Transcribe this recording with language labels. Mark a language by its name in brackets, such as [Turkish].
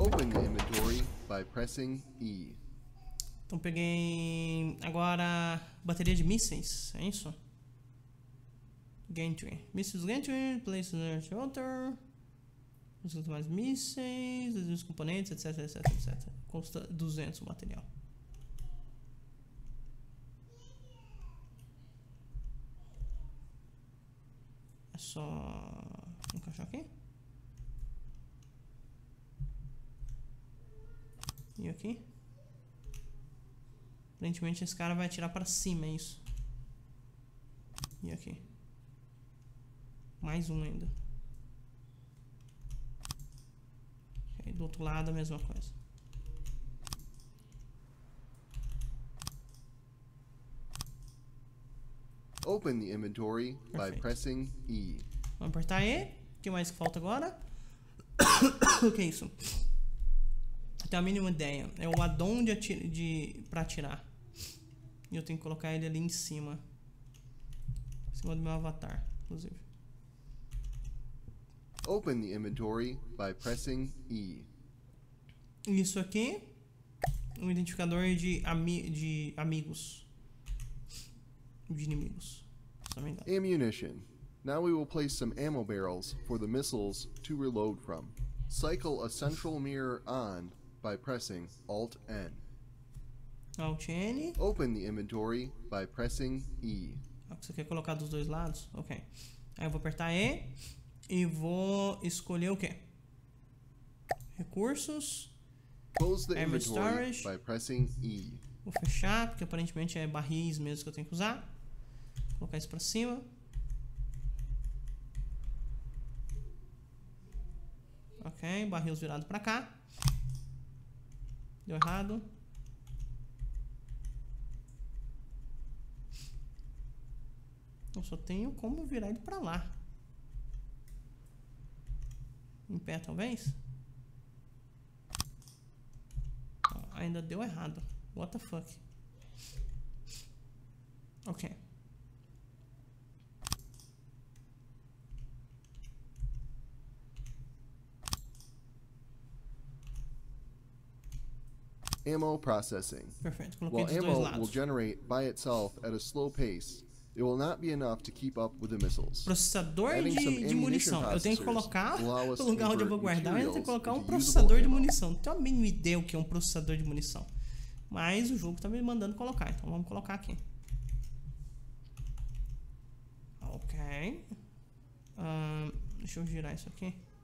[English] Open the inventory by pressing E. [Portuguese] Então peguei agora bateria de mísseis, é isso? [English] Gantry. Mísseis Gantry, place in the shelter. [Portuguese] Precisa mais mísseis, os componentes, etc, etc, etc. Custa 200 o material. É só encaixar aqui. E aqui. Aparentemente esse cara vai atirar pra cima, é isso. E aqui. Mais um ainda. Do outro lado a mesma coisa. [English] Open the inventory. [Portuguese] Perfeito. [English] By pressing E. [Portuguese] Vamos apertar E. O que mais que falta agora? O que é isso? Tenho a mínima ideia. É o addon pra atirar. E eu tenho que colocar ele ali em cima. Em cima do meu avatar, inclusive. [English] Open the inventory by pressing E. [Portuguese] Isso aqui, um identificador de amigos, de inimigos, se não me engano. [English] Ammunition. Now we will place some ammo barrels for the missiles to reload from. Cycle a central mirror on by pressing Alt N. Alt N. Open the inventory by pressing E. [Portuguese] Você quer colocar dos dois lados? Ok. Aí eu vou apertar E e vou escolher o quê? Recursos. [English] Close the inventory storage. By pressing E. [Portuguese] Vou fechar, porque aparentemente é barris mesmo que eu tenho que usar. Vou colocar isso pra cima. Ok, barris virado pra cá. Deu errado. Eu só tenho como virar ele pra lá. Em pé, talvez? Ainda deu errado. [English] What the fuck? Ok. Ammo processing. [Portuguese] Perfeito. Coloquei dos dois lados. [English] While ammo will generate by itself at a slow pace, it will not be enough to keep up with the missiles. [Portuguese] Processador de munição. Eu tenho que colocar no lugar onde eu vou guardar. Eu tenho que colocar um processador de munição. Não tenho a mínima ideia o que é um processador de munição. Mas o jogo está me mandando colocar. Então vamos colocar aqui. Ok. Deixa eu girar isso aqui.